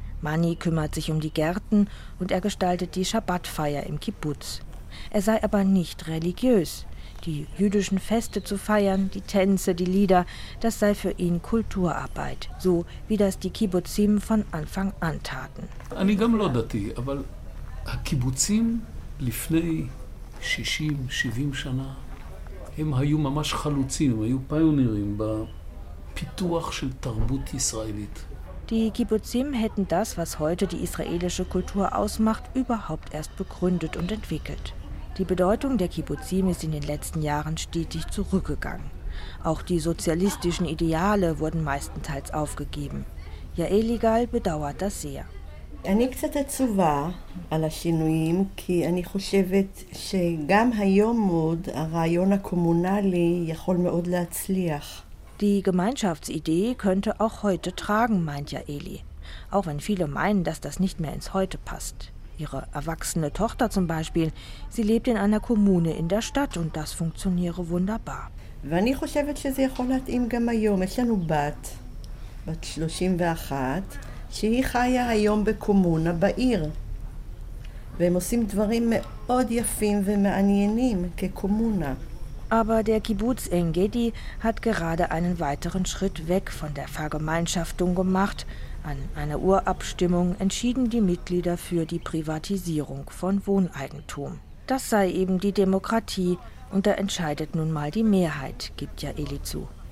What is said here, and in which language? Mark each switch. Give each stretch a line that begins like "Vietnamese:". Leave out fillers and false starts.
German: Mani kümmert sich um die Gärten und er gestaltet die Schabbatfeier im Kibbutz. Er sei aber nicht religiös. Die jüdischen Feste zu feiern, die Tänze, die Lieder, das sei für ihn Kulturarbeit, so wie das die Kibbutzim von Anfang an taten. Ich bin auch nicht religiös, aber die Kibbutzim vor 60, 70 Jahren
Hebrew: הם היו ממש חלוצים, הם היו פיונירים בפיתוח של תרבות ישראלית.
German: Die Kibbutzim hätten das, was heute die israelische Kultur ausmacht, überhaupt erst begründet und entwickelt. Die Bedeutung der Kibbutzim ist in den letzten Jahren stetig zurückgegangen. Auch die sozialistischen Ideale wurden meistenteils aufgegeben. Ya'eli Gal bedauert das sehr.
Hebrew: אני קצת עצובה על השינויים, כי אני חושבת שגם היום עוד הרעיון הקומונלי יכול מאוד להצליח.
German: Die Gemeinschaftsidee könnte auch heute tragen, meint Ya'eli. Auch wenn viele meinen, dass das nicht mehr ins Heute passt. Ihre erwachsene Tochter zum Beispiel, sie lebt in einer Kommune in der Stadt und das funktioniere wunderbar.
Hebrew: ואני חושבת שזה יכול להתאים גם היום. יש לנו בת, בת 31, שהיא חיה היום בקומונה בעיר. והם עושים דברים מאוד יפים ומעניינים כקומונה.
German: Aber der Kibbutz Engedi hat gerade einen weiteren Schritt weg von der Vergemeinschaftung gemacht. An einer Urabstimmung entschieden die Mitglieder für die Privatisierung von Wohneigentum. Das sei eben die Demokratie und da entscheidet nun mal die Mehrheit, gibt Ya'eli zu.